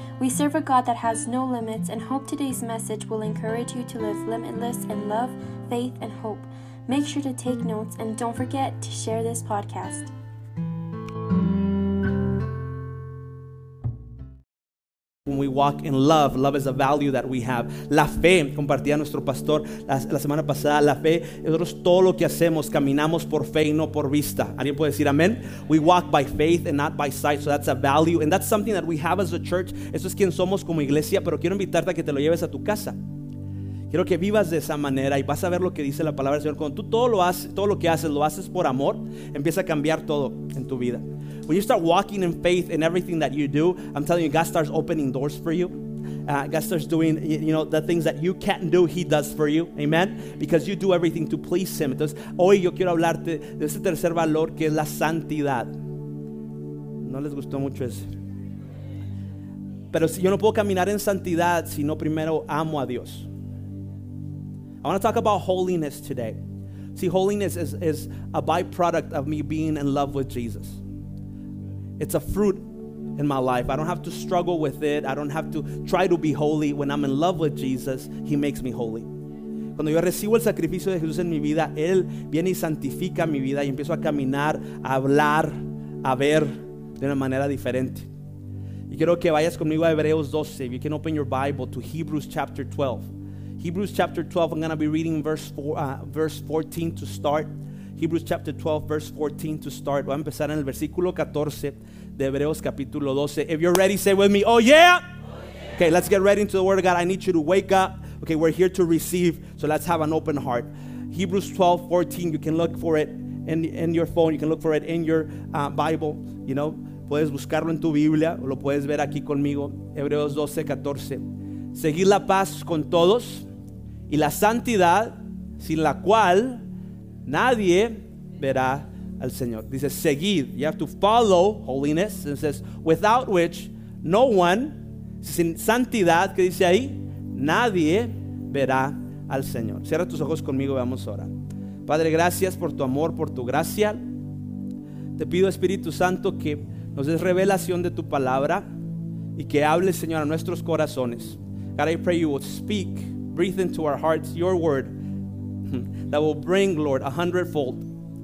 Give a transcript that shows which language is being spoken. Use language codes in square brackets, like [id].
[en] We serve a God that has no limits and hope today's message will encourage you to live limitless in love, faith, and hope. Make sure to take notes and don't forget to share this podcast. When we walk in love, love is a value that we have. [es] La fe, compartía nuestro pastor la semana pasada, la fe, nosotros todo lo que hacemos, caminamos por fe y no por vista. ¿Alguien puede decir amén? [en] We walk by faith and not by sight, so that's a value. And that's something that we have as a church. [es] Eso es quien somos como iglesia, pero quiero invitarte a que te lo lleves a tu casa. Quiero que vivas de esa manera y vas a ver lo que dice la palabra del Señor. Cuando tú todo lo que haces, lo haces por amor, empieza a cambiar todo en tu vida. [en] When you start walking in faith in everything that you do, I'm telling you, God starts opening doors for you. God starts doing, you know, the things that you can't do, He does for you. Amen? Because you do everything to please Him. [es] Entonces, hoy yo quiero hablarte de ese tercer valor que es la santidad. No les gustó mucho eso. Pero si yo no puedo caminar en santidad si no primero amo a Dios. [en] I want to talk about holiness today. See, holiness is a byproduct of me being in love with Jesus. It's a fruit in my life. I don't have to struggle with it. I don't have to try to be holy. When I'm in love with Jesus, He makes me holy. [es] Cuando yo recibo el sacrificio de Jesús en mi vida, Él viene y santifica mi vida y empiezo a caminar, a hablar, a ver de una manera diferente. Y quiero que vayas conmigo a Hebreos 12. [en] If you can open your Bible to Hebrews chapter 12. Hebrews chapter 12, I'm going to be reading verse 14 to start. Hebrews chapter 12, verse 14 to start. [es] Voy a empezar en el versículo 14 de Hebreos capítulo 12. [en] If you're ready, say with me, oh yeah! Oh yeah! Okay, let's get ready into the Word of God. I need you to wake up. Okay, we're here to receive, so let's have an open heart. Hebrews 12, 14, you can look for it in your phone. You can look for it in your Bible, you know. [es] Puedes buscarlo en tu Biblia, o lo puedes ver aquí conmigo. Hebreos 12, 14. Seguid la paz con todos y la santidad sin la cual nadie verá al Señor. Dice, seguid. [en] You have to follow holiness. It says, without which no one, [es] sin santidad, ¿qué dice ahí? Nadie verá al Señor. Cierra tus ojos conmigo y vamos a orar. Padre, gracias por tu amor, por tu gracia. Te pido, Espíritu Santo, que nos des revelación de tu palabra y que hables, Señor, a nuestros corazones. [en] God, I pray you will speak, breathe into our hearts your word that will bring, Lord, 100-fold.